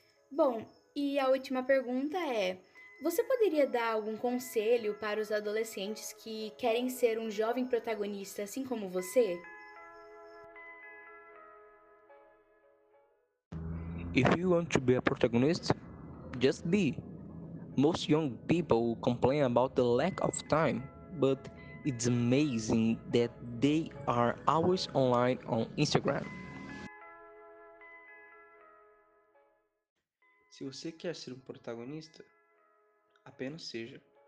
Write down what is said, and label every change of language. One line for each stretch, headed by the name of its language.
Portuguese: Bom, e a última pergunta é, você poderia dar algum conselho para os adolescentes que querem ser um jovem protagonista assim como você?
English: If you want to be a protagonist, just be. Most young people complain about the lack of time, but it's amazing that they are always online on Instagram.
Portuguese: Se você quer ser um protagonista, apenas seja.